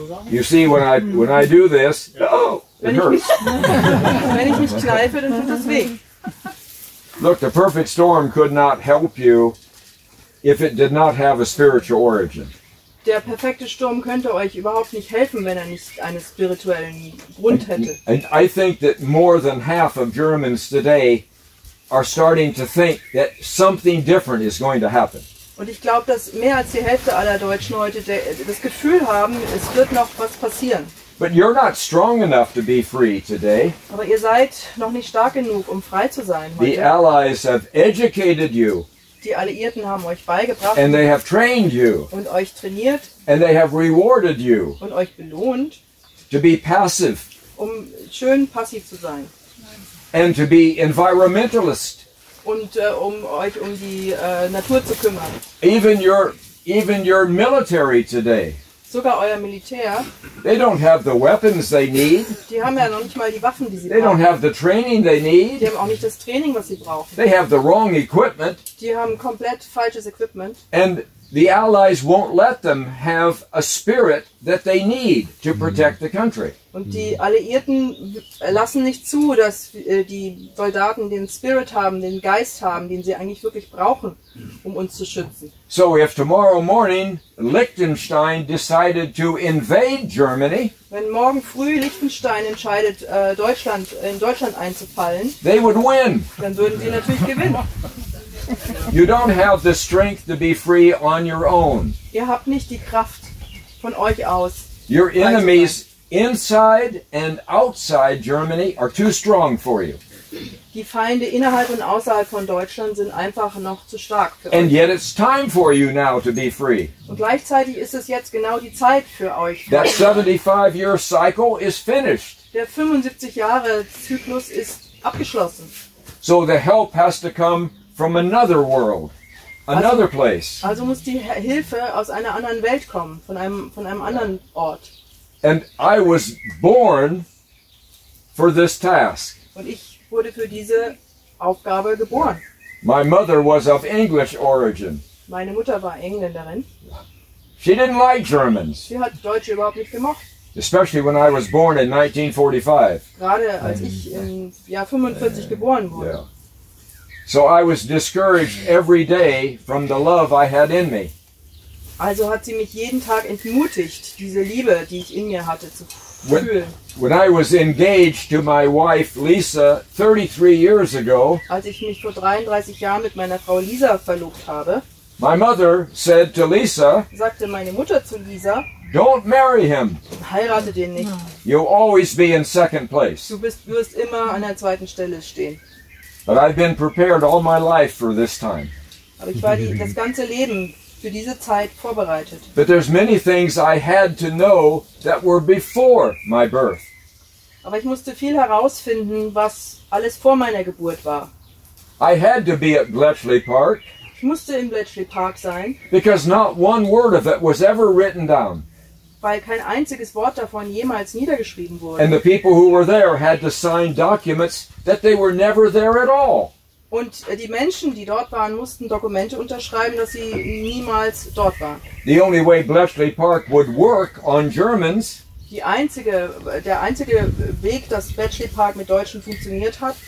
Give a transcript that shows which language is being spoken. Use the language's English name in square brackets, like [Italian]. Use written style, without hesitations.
[English] You see, when I do this, it hurts. [German] Wenn ich mich kneife, dann tut das weh. [English] Look, the perfect storm could not help you if it did not have a spiritual origin. [German] Der perfekte Sturm könnte euch überhaupt nicht helfen, wenn nicht einen spirituellen Grund hätte. [English] And I think that more than half of Germans today are starting to think that something different is going to happen. [German] Und ich glaube, dass mehr als die Hälfte aller Deutschen heute das Gefühl haben, es wird noch was passieren. [English] But you're not strong enough to be free today. [German] Aber ihr seid noch nicht stark genug, um frei zu sein heute. [English] The Allies have educated you. [German] Die Alliierten haben euch beigebracht. [English] And they have trained you. [German] Und euch trainiert. [English] And they have rewarded you. [German] Und euch belohnt. [English] To be passive. [German] Um schön passiv zu sein. [English] And to be environmentalist. [German] Und um euch um die Natur zu kümmern. [English] Even your military today. [German] Sogar euer Militär. [English] They don't have the weapons they need. [German] Die haben ja noch nicht mal die Waffen, die sie brauchen. [English] Don't have the training they need. [German] Die haben auch nicht das Training, was sie brauchen. [English] They have the wrong equipment. [German] Die haben komplett falsches Equipment. [English] And the Allies won't let them have a spirit that they need to protect the country. [German] Und die Alliierten lassen nicht zu, dass die Soldaten den Spirit haben, den Geist haben, den sie eigentlich wirklich brauchen, um uns zu schützen. [English] So if tomorrow morning Liechtenstein decided to invade Germany, [German] wenn morgen früh Liechtenstein entscheidet, Deutschland in Deutschland einzufallen, [English] they would win. [German] Dann würden sie natürlich gewinnen. [English] You don't have the strength to be free on your own. [German] Ihr habt nicht die Kraft von euch aus. [English] Your enemies inside and outside Germany are too strong for you. [German] Die Feinde innerhalb und außerhalb von Deutschland sind einfach noch zu stark für euch. [English] And yet it's time for you now to be free. [German] Und gleichzeitig ist es jetzt genau die Zeit für euch. [English] That 75-year cycle is finished. [German] Der 75 Jahre Zyklus ist abgeschlossen. [English] So the help has to come from another world, another place. [German] Also muss die Hilfe aus einer anderen Welt kommen, von einem anderen Ort. [English] And I was born for this task. [German] Und ich wurde für diese Aufgabe geboren. [English] My mother was of English origin. [German] Meine Mutter war Engländerin. [English] She didn't like Germans. [German] Sie hat Deutsche überhaupt nicht gemocht. [English] Especially when I was born in 1945. [German] Gerade als ich im Jahr 45 geboren wurde. [English] Yeah. So I was discouraged every day from the love I had in me. [German] Also hat sie mich jeden Tag entmutigt, diese Liebe, die ich in mir hatte, zu fühlen. [English] When I was engaged to my wife Lisa 33 years ago, [German] als ich mich vor 33 Jahren mit meiner Frau Lisa verlobt habe, [English] my mother said to Lisa, [German] sagte meine Mutter zu Lisa, [English] don't marry him. [German] Heirate den nicht. [English] You'll always be in second place. [German] Du wirst immer an der zweiten Stelle stehen. [English] But I've been prepared all my life for this time. [German] Aber ich war das ganze Leben für diese Zeit vorbereitet. [English] But there's many things I had to know that were before my birth. [German] Aber ich musste viel herausfinden, was alles vor meiner Geburt war. [English] I had to be at Bletchley Park. [German] Ich musste in Bletchley Park sein. [English] Because not one word of it was ever written down. [German] Weil kein einziges Wort davon jemals niedergeschrieben wurde. [English] And the people who were there had to sign documents that they were never there at all. [German] Und die Menschen, die dort waren, mussten Dokumente unterschreiben, dass sie niemals dort waren. [English] The only way Bletchley Park would work on Germans, [German] der einzige Weg, dass Bletchley Park mit Deutschen funktioniert hat,